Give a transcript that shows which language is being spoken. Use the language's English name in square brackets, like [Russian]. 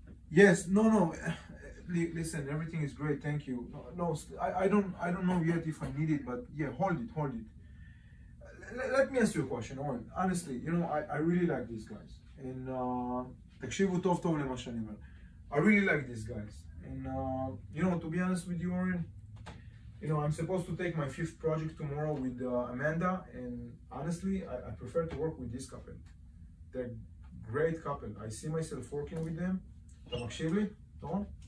[English] Yes, no, no, listen, everything is great, thank you. No, I don't know yet if I need it, but yeah, hold it. Let me ask you a question, Owen. Honestly, you know, I really like these guys. [Hebrew] And, תקשיבו טוב טוב למה שאני אומר. [English] I really like these guys. And, you know, to be honest with you, Owen, you know, I'm supposed to take my fifth project tomorrow with Amanda, and honestly, I prefer to work with this couple. They're a great couple. I see myself working with them. [Hebrew] אתה מקשיב לי, תורן?